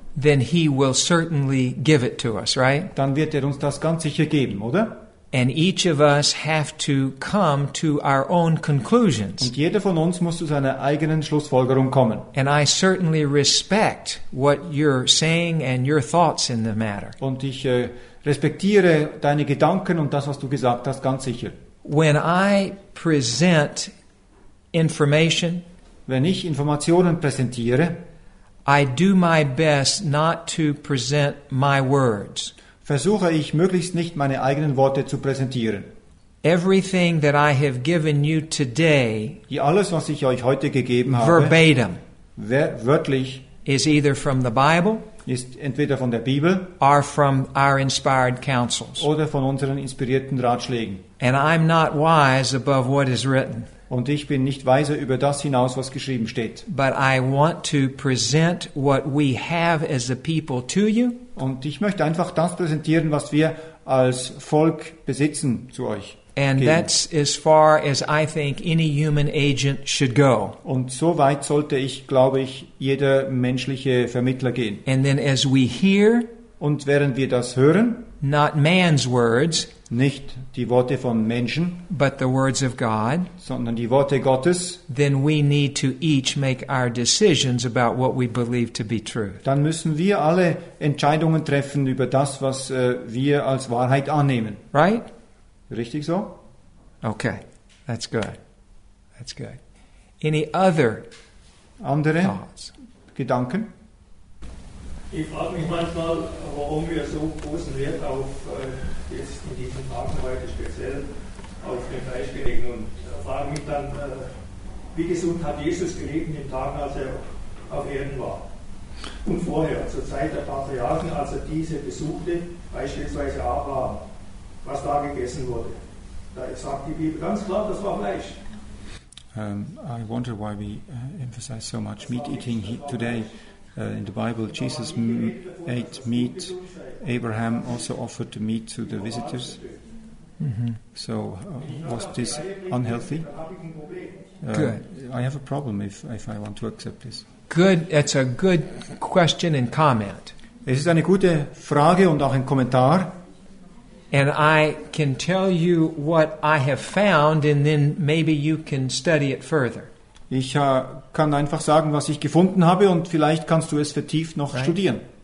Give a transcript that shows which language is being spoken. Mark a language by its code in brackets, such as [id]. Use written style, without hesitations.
[en] then he will certainly give it to us, right? [de] Dann wird uns das ganz sicher geben, oder? [en] And each of us have to come to our own conclusions. [de] Und jeder von uns muss zu seiner eigenen Schlussfolgerung kommen. [en] And I certainly respect what you're saying and your thoughts in the matter. [de] Und ich respektiere deine Gedanken und das, was du gesagt hast, ganz sicher. [en] When I present information, [de] wenn ich Informationen präsentiere, [en] I do my best not to present my words. [de] Versuche ich möglichst nicht meine eigenen Worte zu präsentieren. [en] Everything that I have given you today, [de] alles was ich euch heute gegeben habe, [en] verbatim, [de] wörtlich, [en] is either from the Bible, [de] ist entweder von der Bibel, [en] or from our inspired counsels, [de] oder von unseren inspirierten Ratschlägen. [en] And I'm not wise above what is written. [de] Und ich bin nicht weiser über das hinaus, was geschrieben steht. [en] But I want to present what we have as a people to you. [de] Und ich möchte einfach das präsentieren, was wir als Volk besitzen, zu euch. [en] And [de] geben. [en] That's as far as I think any human agent should go. [de] Und so weit sollte ich, glaube ich, jeder menschliche Vermittler gehen. [en] And then as we hear, [de] und während wir das hören, [en] not man's words, [de] nicht die Worte von Menschen, [en] but the words of God, [de] sondern die Worte Gottes, [en] then we need to each make our decisions about what we believe to be true. [de] Dann müssen wir alle Entscheidungen treffen über das, was wir als Wahrheit annehmen. [en] Right? [de] Richtig so? [en] Okay. That's good. That's good. Any other [de] andere [en] thoughts? [de] Gedanken? Ich frage mich manchmal, warum wir so großen Wert auf jetzt in diesen Tagen heute speziell auf den Fleisch gelegen und frage mich dann, wie gesund hat Jesus gelebt in den Tagen, als er auf Erden war? Und vorher, zur Zeit der Patriarchen, als er diese besuchte, beispielsweise Abraham, was da gegessen wurde? Da sagt die Bibel ganz klar, das war Fleisch. [en] I wonder why we emphasize so much meat eating today. In the Bible, Jesus ate meat. Abraham also offered the meat to the visitors. So was this unhealthy? Good. I have a problem if I want to accept this. Good. It's a good question and comment. [de] Es ist eine gute Frage und auch ein Kommentar. [en] And I can tell you what I have found, and then maybe you can study it further. [de] Ich kann einfach sagen, was ich gefunden habe, und vielleicht kannst du es vertieft noch studieren.